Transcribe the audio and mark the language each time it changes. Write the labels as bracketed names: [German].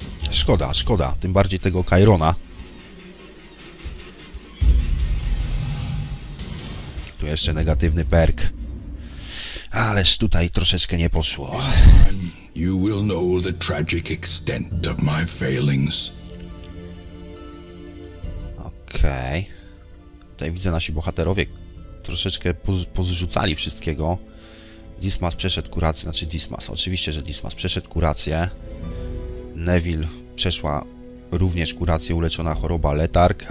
[Polish] Szkoda, szkoda. Tym bardziej tego Chirona. Tu jeszcze negatywny perk. Ależ tutaj troszeczkę nie poszło. [English] You will know the tragic extent of my failings. [Polish] Okej. Okay. Tutaj widzę, nasi bohaterowie troszeczkę pozrzucali wszystkiego. Dismas przeszedł kurację, znaczy Dismas, oczywiście, że Dismas przeszedł kurację. Neville przeszła również kurację, uleczona choroba letarg.